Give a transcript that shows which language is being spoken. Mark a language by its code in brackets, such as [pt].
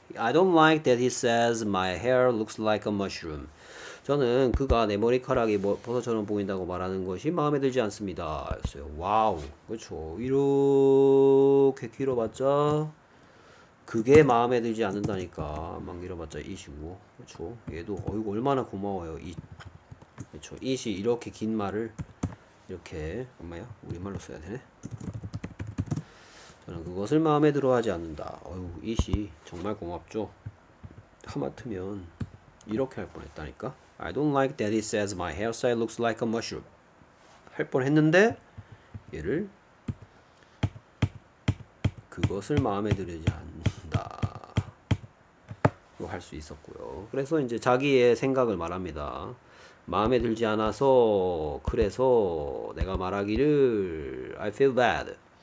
[en] I don't like that he says my hair looks like a mushroom. [ko] 저는 그가 내 머리카락이 버섯처럼 보인다고 말하는 것이 마음에 들지 않습니다. 였어요. 와우. 그렇죠. 이렇게 길어봤자 그게 마음에 들지 않는다니까. 막 길어봤자 이시고. 그렇죠. 얘도 어이구 얼마나 고마워요. 이 그렇죠. 이시 이렇게 긴 말을 이렇게 엄마야 우리말로 써야 되네. 저는 그것을 마음에 들어하지 않는다. 어휴, 이씨 정말 고맙죠. 하마터면 이렇게 할 뻔했다니까. [en] I don't like that he says my hairstyle looks like a mushroom. [ko] 할 뻔했는데 얘를 그것을 마음에 들지 않는다로 할수 있었고요. 그래서 이제 자기의 생각을 말합니다. 마음에 들지 않아서 그래서 내가 말하기를 [en] I feel bad.